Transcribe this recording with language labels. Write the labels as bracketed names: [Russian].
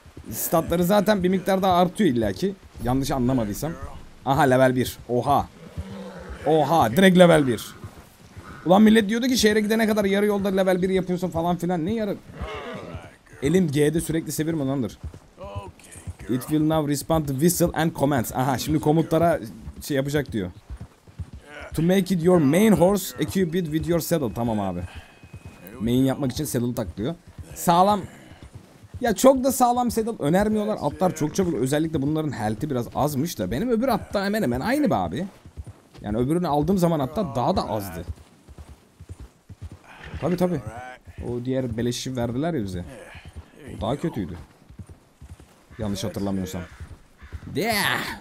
[Turkish] statları zaten bir miktar daha artıyor illaki. Yanlış anlamadıysam. Aha level 1. Oha. Oha direkt level 1. Ulan millet diyordu ki şehre gidene kadar yarı yolda level 1 yapıyorsun falan filan. Ne yarı? Elim G'de sürekli sevirme lanır. [English] It will now respond to whistle and commands. [Turkish] Aha şimdi komutlara şey yapacak diyor. [English] To make it your main horse, equip it with your saddle. [Turkish] Tamam abi. Main yapmak için saddle tak diyor. Sağlam. Ya çok da sağlam saddle önermiyorlar. Atlar çok çabuk. Özellikle bunların health'i biraz azmış da. Benim öbür atta hemen hemen aynı be abi. Yani öbürünü aldığım zaman hatta daha da azdı. Tabi tabi. O diğer beleşi verdiler ya bize. O daha kötüydü. Yanlış hatırlamıyorsam. [English] Yeah.